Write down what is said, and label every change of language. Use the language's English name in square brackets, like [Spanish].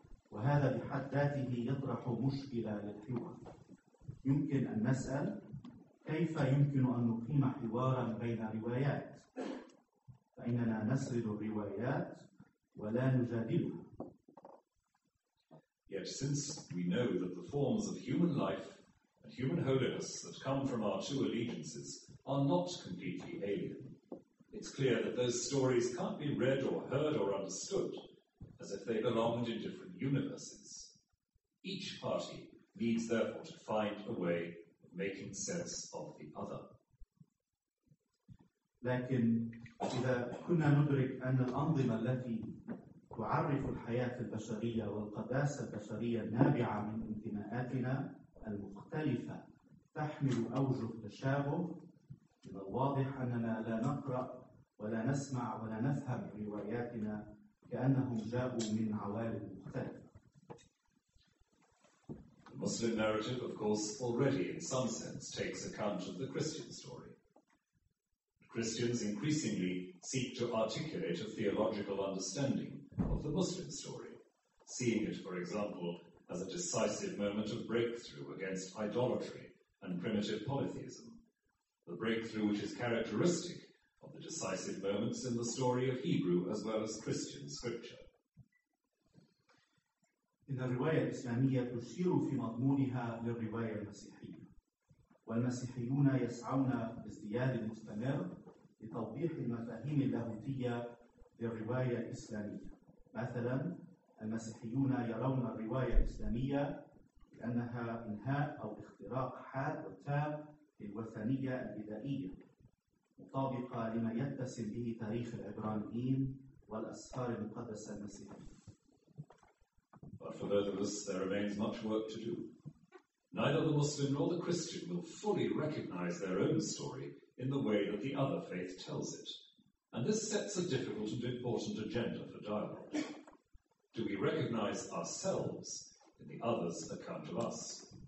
[Arabic] وهذا بحد ذاته يطرح مشكلة للحوار. يمكن أن نسأل كيف يمكن أن نقيم حواراً بين روايات؟ فإننا نسرد الروايات ولا نجادلها. [English] Yet since we know that the forms of human life and human holiness that come from our two allegiances are not completely alien, it's clear that those stories can't be read or heard or understood as if they belonged in different universes. Each party needs, therefore, to find a way of making sense of the other. [Arabic] لكن إذا كنا ندرك أن الأنظمة التي تعرف الحياة البشرية والقداسة البشرية النابعة من انتماءاتنا المختلفة تحمل أوجه تشابه، من الواضح أننا لا نقرأ ولا نسمع ولا نفهم رواياتنا كأنهم جاءوا من عوالم مختلفة. [English] The Muslim narrative, of course, already in some sense takes account of the Christian story. Christians increasingly seek to articulate a theological understanding of the Muslim story, seeing it, for example, as a decisive moment of breakthrough against idolatry and primitive polytheism, the breakthrough which is characteristic decisive moments in the story of Hebrew as well as Christian scripture. [Arabic] إن الرواية الإسلامية تشير في مضمونها للرواية المسيحية، والمسيحيون يسعون بازدياد مستمر لتوضيح المفاهيم اللاهوتية للرواية الإسلامية. مثلا المسيحيون يرون الرواية الإسلامية كأنها إنهاء أو اختراق حاد وتام للوثنية البدائية طابقة لما يتسم به تاريخ العبرانيين والأسفار المقدسة المسيحية. [English] But for those of us, there remains much work to do. Neither the Muslim nor the Christian will fully recognize their own story in the way that the other faith tells it. And this sets a difficult and important agenda for dialogue. Do we recognize ourselves in the other's account of us?